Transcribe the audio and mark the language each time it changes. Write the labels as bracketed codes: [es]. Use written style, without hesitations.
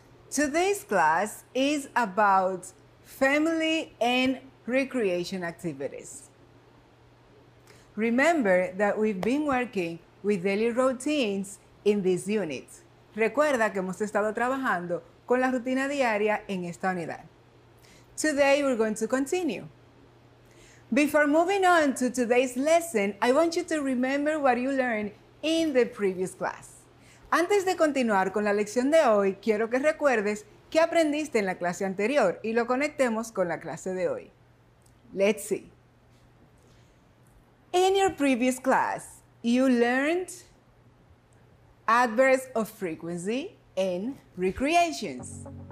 [en] Today's class is about family and recreation activities. Remember that we've been working with daily routines in this unit. [es] Recuerda que hemos estado trabajando con la rutina diaria en esta unidad. [en] Today we're going to continue. Before moving on to today's lesson, I want you to remember what you learned in the previous class. [es] Antes de continuar con la lección de hoy, quiero que recuerdes qué aprendiste en la clase anterior y lo conectemos con la clase de hoy. [en] Let's see. In your previous class, you learned adverbs of frequency and recreations.